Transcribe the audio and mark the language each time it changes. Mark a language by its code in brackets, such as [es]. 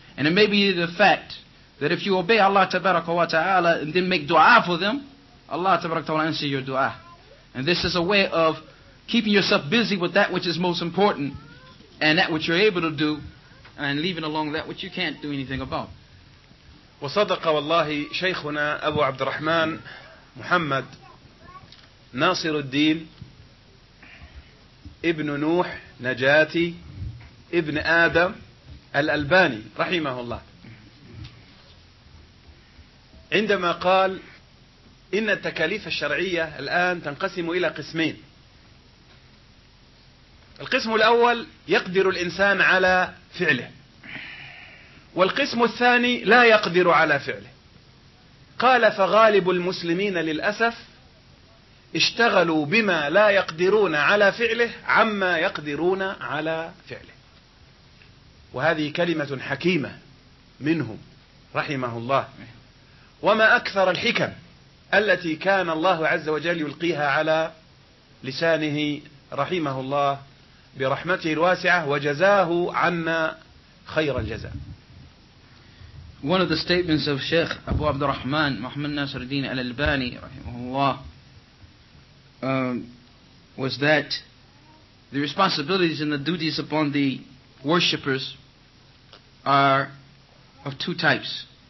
[en] And it may be the fact that if you obey Allah tabaraka wa ta'ala and then make dua for them, Allah tabaraka ta'ala answer your dua. And this is a way of keeping yourself busy with that which is most important and that which you're able to do and leaving alone that which you can't do anything about. [ar] وصدق والله شيخنا أبو عبد الرحمن محمد ناصر الدين ابن نوح نجاتي ابن آدم الألباني رحمه الله عندما قال إن التكاليف الشرعية الآن تنقسم إلى قسمين. القسم الأول يقدر الإنسان على فعله، والقسم الثاني لا يقدر على فعله. قال فغالب المسلمين للأسف اشتغلوا بما لا يقدرون على فعله عما يقدرون على فعله. وهذه كلمة حكيمة منهم رحمه الله، وما أكثر الحكم التي كان الله عز وجل يلقيها على لسانه رحمه الله برحمته الواسعة، وجزاه عنا خير الجزاء. [en] One of the statements of Sheikh Abu Abd al-Rahman, Muhammad Nasir al-Din al-Albani, rahimahullah, was that the responsibilities and the duties upon the worshippers are of two types.